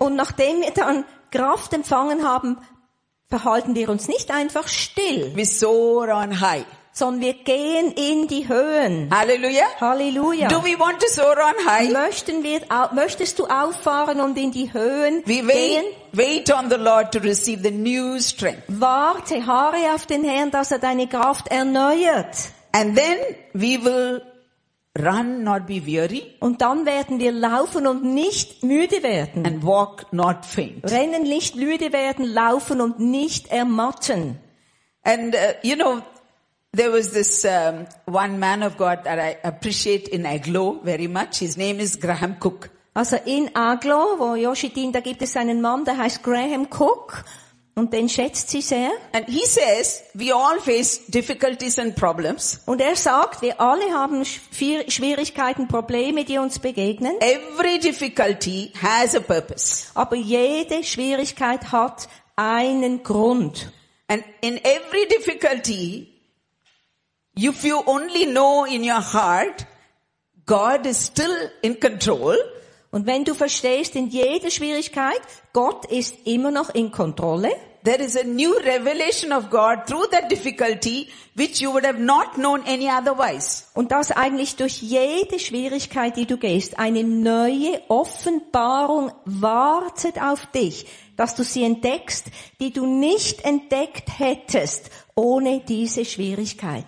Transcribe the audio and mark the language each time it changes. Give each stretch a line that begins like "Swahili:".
German: Und nachdem wir dann Kraft empfangen haben, verhalten wir uns nicht einfach still.
English: We soar on high.
German: Sondern wir gehen in die Höhen. Halleluja. Halleluja.
English: Do we want to soar on high?
German: Möchtest du auffahren und in die Höhen gehen?
English: Wait on the Lord to receive the new strength.
German: Warte, harre auf den Herrn, dass er deine Kraft erneuert.
English: And then we will run, not be weary.
German: Und dann werden wir laufen und nicht müde werden.
English: And walk, not faint.
German: Rennen, nicht müde werden, laufen und nicht ermatten.
English: And you know, there was this one man of God that I appreciate in Agloe very much. His name is Graham Cook.
German: Also in Agloe, wo Yoshi dient, da gibt es einen Mann, der heißt Graham Cook, und den schätzt sie sehr.
English: And he says, we all face difficulties and problems.
German: Und er sagt, wir alle haben Schwierigkeiten, Probleme, die uns begegnen.
English: Every difficulty has a purpose.
German: Aber jede Schwierigkeit hat einen Grund.
English: And in every difficulty, if you only know in your heart, God is still in control.
German: Und wenn du verstehst, in jeder Schwierigkeit, Gott ist immer noch in Kontrolle.
English: There is a new revelation of God through that difficulty, which you would have not known any otherwise.
German: Und dass eigentlich durch jede Schwierigkeit, die du gehst, eine neue Offenbarung wartet auf dich, dass du sie entdeckst, die du nicht entdeckt hättest ohne diese Schwierigkeit.